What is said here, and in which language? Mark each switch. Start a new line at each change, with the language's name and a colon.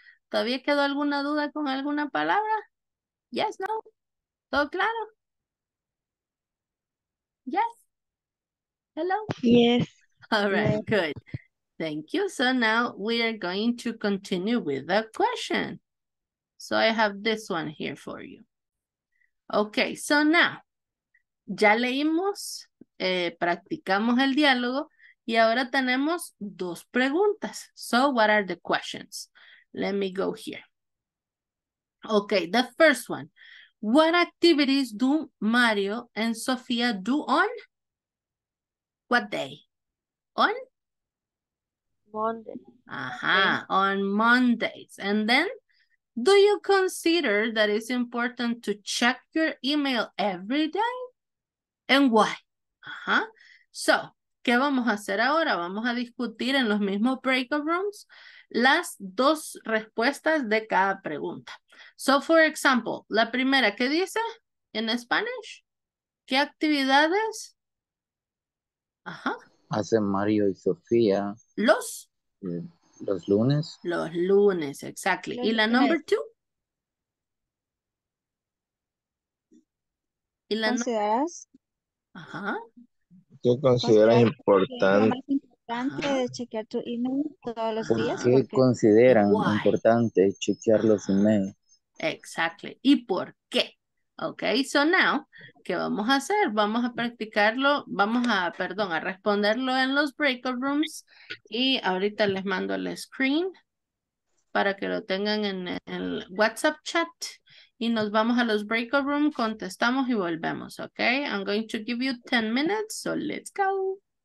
Spanish: ¿Todavía quedó alguna duda con alguna palabra?
English: Yes, no?
Spanish: ¿Todo claro?
English: Yes? Hello? Yes. All right. Yes. Good. Thank you. So now we are going to continue with the question. So I have this one here for you. Okay, so now,
Spanish: ya leímos, practicamos el diálogo, y ahora tenemos dos preguntas.
English: So, what are the questions? Let me go here. Okay, the first one. What activities do Mario and Sofia do on? What day? On? Monday. On Mondays. And then? Do you consider that it's important to check your email every day? And why? So,
Spanish: ¿qué vamos a hacer ahora? Vamos a discutir en los mismos breakout rooms las dos respuestas de cada pregunta.
English: So, for example,
Spanish: la primera, ¿qué dice en Spanish? ¿Qué actividades? Hacen Mario y Sofía. Los. Los lunes. Los lunes,
English: exactly.
Spanish: Los ¿y la lunes.
English: Number two?
Spanish: ¿Y la consideras? ¿Qué consideras importante? ¿Es importante chequear tu email todos los días? ¿Qué consideran importante chequear los emails?
English: Exactly.
Spanish: ¿Y por qué?
English: Okay, so now,
Spanish: ¿qué vamos a hacer? Vamos a practicarlo, a responderlo en los breakout rooms y ahorita les mando el screen para que lo tengan en el WhatsApp chat y nos vamos a los breakout rooms, contestamos y volvemos, okay?
English: I'm going to give you 10 minutes, so let's go.